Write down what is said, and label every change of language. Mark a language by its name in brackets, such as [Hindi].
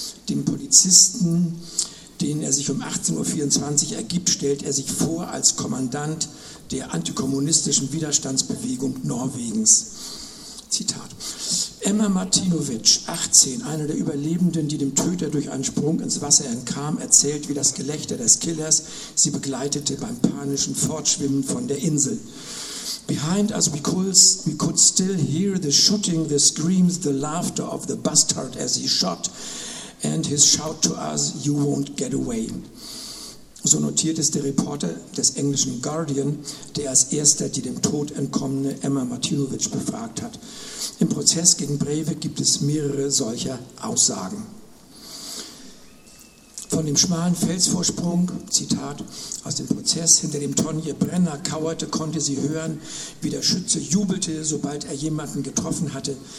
[German] Dem Polizisten, den er sich um 18.24 Uhr ergibt, stellt er sich vor als Kommandant der antikommunistischen Widerstandsbewegung Norwegens. Zitat. Emma Martinovic, 18, einer der Überlebenden, die dem Töter durch einen Sprung ins Wasser entkam, erzählt, wie das Gelächter des Killers sie begleitete beim panischen Fortschwimmen von der Insel. [English] Behind us we could still hear the shooting, the screams, the laughter of the bastard as he shot and his shout to us, you won't get away. [German] So notiert es der Reporter des englischen Guardian, der als erster die dem Tod entkommene Emma Martinovic befragt hat. Im Prozess gegen Breivik gibt es mehrere solcher Aussagen. Von dem schmalen Felsvorsprung, Zitat, aus dem Prozess, hinter dem Tonje Brenner kauerte, konnte sie hören, wie der Schütze jubelte, sobald er jemanden getroffen hatte.